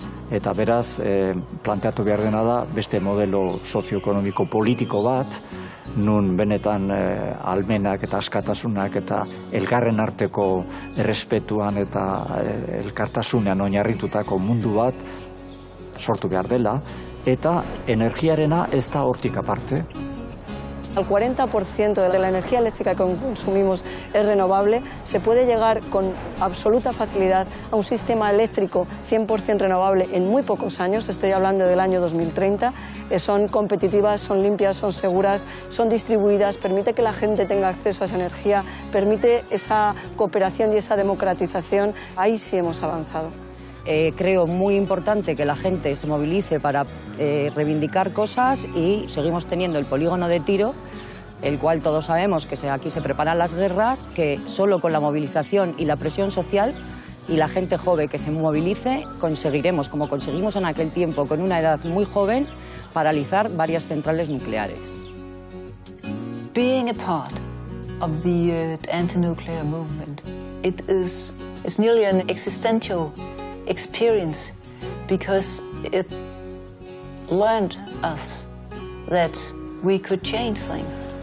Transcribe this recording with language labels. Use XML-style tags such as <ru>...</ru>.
<eu>Eta beraz, planteatu behar dena da, beste modelo sozioekonomiko politiko bat, nun benetan almenak eta askatasunak eta elgarren arteko errespetuan eta elkartasunean oinarritutako mundu bat sortu behar dela, eta energiarena ez da hortik aparte.</eu> <es>Al 40% de la energía eléctrica que consumimos es renovable, se puede llegar con absoluta facilidad a un sistema eléctrico 100% renovable en muy pocos años, estoy hablando del año 2030, son competitivas, son limpias, son seguras, son distribuidas, permite que la gente tenga acceso a esa energía, permite esa cooperación y esa democratización, ahí sí hemos avanzado. Creo muy importante que la gente se movilice para reivindicar cosas y seguimos teniendo el polígono de tiro, el cual todos sabemos que aquí se preparan las guerras, que solo con la movilización y la presión social y la gente joven que se movilice conseguiremos, como conseguimos en aquel tiempo con una edad muy joven, paralizar varias centrales nucleares.</es> <en>Being a part of the anti-nuclear movement, it's nearly an existential experience, because it learned us that we could change things.</en>